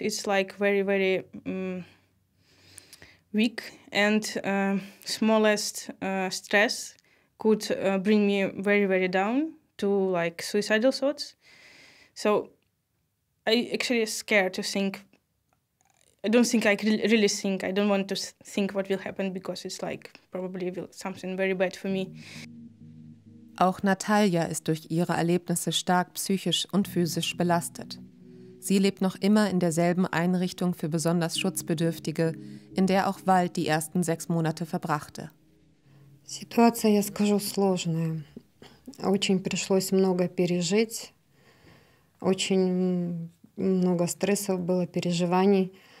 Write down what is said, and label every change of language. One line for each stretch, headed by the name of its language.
English: It's like very, very weak, and smallest stress could bring me very, very down to like suicidal thoughts. So I actually scared to think. I don't want to think what will happen, because it's like probably will something very bad for me.
German: Auch Natalia ist durch ihre Erlebnisse stark psychisch und physisch belastet. Sie lebt noch immer in derselben Einrichtung für besonders Schutzbedürftige, in der auch Wald die ersten 6 Monate verbrachte.
Russian: Ситуация, я скажу, сложная. Очень пришлось много пережить. Очень много стрессов было, переживаний.